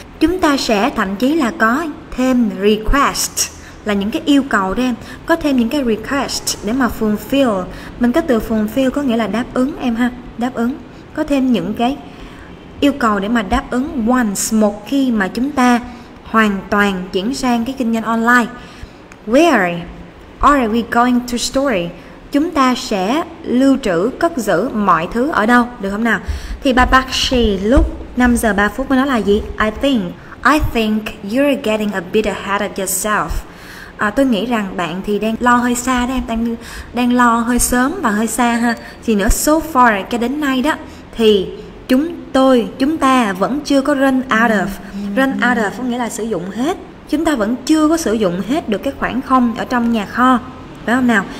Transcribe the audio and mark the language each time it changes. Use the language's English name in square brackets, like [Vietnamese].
[Vietnamese] Chúng ta sẽ thậm chí là có thêm request, là những cái yêu cầu đây em. Có thêm những cái request để mà fulfill. Mình có từ fulfill có nghĩa là đáp ứng em ha, đáp ứng. Có thêm những cái yêu cầu để mà đáp ứng once, một khi mà chúng ta hoàn toàn chuyển sang cái kinh doanh online. [English] Where are we going to store? [Vietnamese] Chúng ta sẽ lưu trữ, cất giữ mọi thứ ở đâu, được không nào? Thì bà bác sĩ lúc 5:03 mới nói là gì? [English] I think you're getting a bit ahead of yourself. [Vietnamese] Tôi nghĩ rằng bạn thì đang lo hơi xa đó em, đang lo hơi sớm và hơi xa ha. Thì nữa, [English] so far, [Vietnamese] cho đến nay đó, thì chúng ta vẫn chưa có [English] run out of. [Vietnamese] Run out of có nghĩa là sử dụng hết. Chúng ta vẫn chưa có sử dụng hết được cái khoảng không ở trong nhà kho, phải không nào?